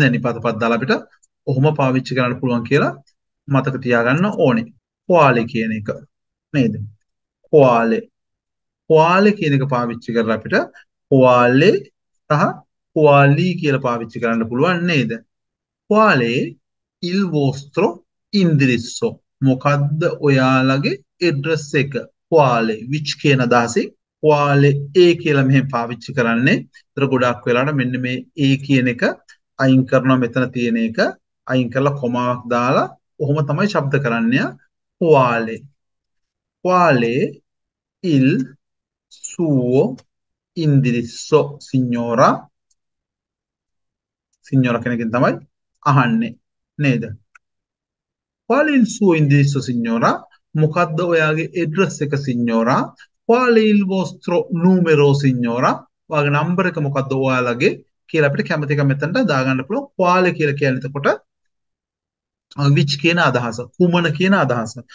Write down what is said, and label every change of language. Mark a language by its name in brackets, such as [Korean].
[Sinhala] දැන් නිපාත පද දාලා අපිට ඔහොම පාවිච්චි කරන්න පුළුවන් කියලා මතක තියාගන්න ඕනේ. කොවාලේ කියන එක නේද? කොවාලේ. කොවාලේ කියන එක පාවිච්චි කරලා අපිට කොවාලේ සහ කොවාලි කියලා පාවිච්චි කරන්න පුළුවන් නේද? [Italian] කොවාලේ il vostro indirizzo. [Sinhala] මොකද්ද ඔයාලගේ address එක? කොවාලේ which කියන අදහසින් කොවාලේ A කියලා මෙහෙම පාවිච්චි කරන්නේ. ඒතර ගොඩක් වෙලාවට මෙන්න මේ A කියන එක අයින් කරනවා මෙතන තියෙන එක අයින් කරලා කොමාවක් දාලා ඔහොම තමයි ශබ්ද කරන්නේ කොවාලේ. [Italian] කොවාලේ il suo indirizzo signora. [Sinhala] Signora කෙනකින් තමයි අහන්නේ නේද? [Italian] Qual è il suo indirizzo signora? [Sinhala] මොකද්ද ඔයාගේ address එක signora? [Italian] Qual è il vostro numero signora? [Sinhala] ඔයාගේ number එක මොකද්ද ඔයාලගේ කියලා අපිට කැමති එක මෙතනට දාගන්න පුළුවන්. Qual කියලා කියන්නේ එතකොට which කියන අදහස, කුමන කියන අදහස.